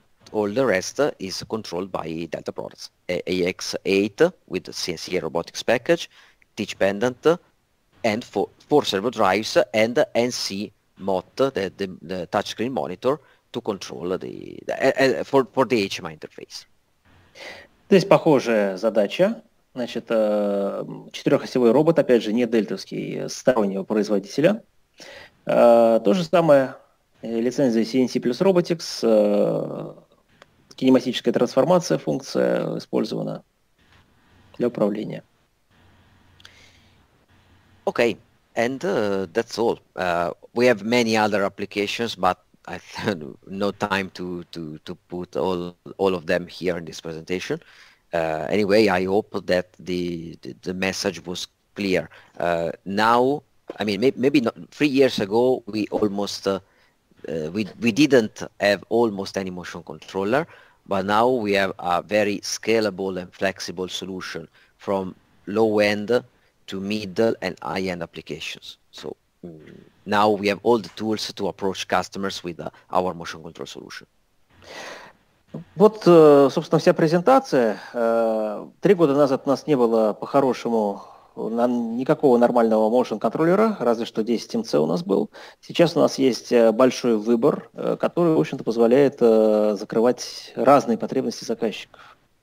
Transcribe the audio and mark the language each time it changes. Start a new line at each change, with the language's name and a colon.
English: All the rest is controlled by Delta products. AX8 with the CNC robotics package, teach pendant, and four servo drives, and NC MOT, the touchscreen monitor, to control for the HMI interface.
Russian: Здесь похожая задача. Значит, четырехосевой робот, опять же, не дельтовский, стороннего производителя. То же самое, лицензия CNC плюс Robotics, кинематическая трансформация функция использована для управления.
English: Okay, and that's all. We have many other applications, but I have no time to put all of them here in this presentation. Anyway, I hope that the message was clear. Now, I mean, maybe not 3 years ago, we almost we didn't have almost any motion controller, but now we have a very scalable and flexible solution from low end to middle and high end applications. So now we have all the tools to approach customers with our motion control solution.
Russian: Вот, собственно, вся презентация. Три года назад у нас не было по-хорошему никакого нормального motion контроллера, разве что 10MC у нас был. Сейчас у нас есть большой выбор, который, в общем-то, позволяет закрывать разные потребности заказчиков.